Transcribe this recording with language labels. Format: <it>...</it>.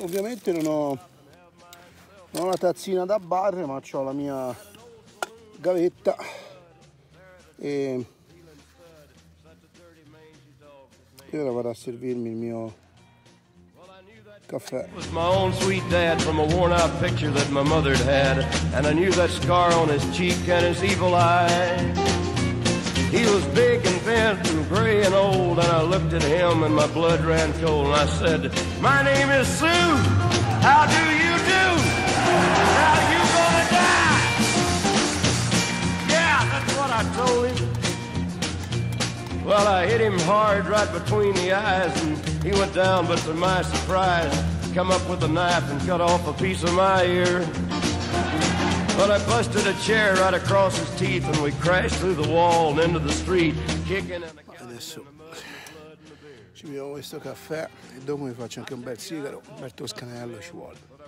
<it>Ovviamente non ho la tazzina da bar, ma ho la mia gavetta e ora vado a servirmi il mio caffè.</it> <en>It was my own sweet dad from a worn out picture that my mother had, and I knew that scar on his cheek and his evil eye. He was big and bent and gray and old, and I looked at him and my blood ran cold, and I said, my name is Sue, how do you do? How are you gonna die? Yeah, that's what I told him. Well, I hit him hard right between the eyes, and he went down, but to my surprise, come up with a knife and cut off a piece of my ear. But I busted a chair right across his teeth and we crashed through the wall and into the street kicking and</en> <it>adesso ci beviamo questo caffè e dopo mi faccio anche un bel sigaro. Bel toscanello ci vuole.</it>